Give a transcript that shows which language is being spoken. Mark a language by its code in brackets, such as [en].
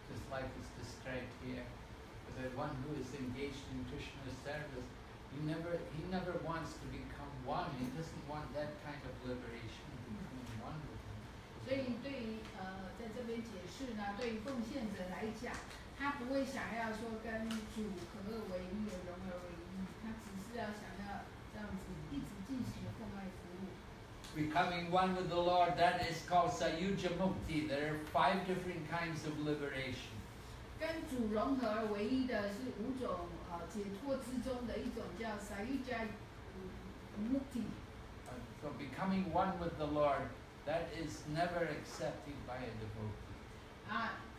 [en] life is described here, but that one who is engaged in Krishna's service, he never wants to become one. He doesn't want that kind of liberation, becoming one with him. [zh] 所以对于在这边解释呢，对于奉献者来讲。 [en] Becoming one with the Lord, that is called Sayuja Mukti. There are five different kinds of liberation. So becoming one with the Lord, that is never accepted by a devotee.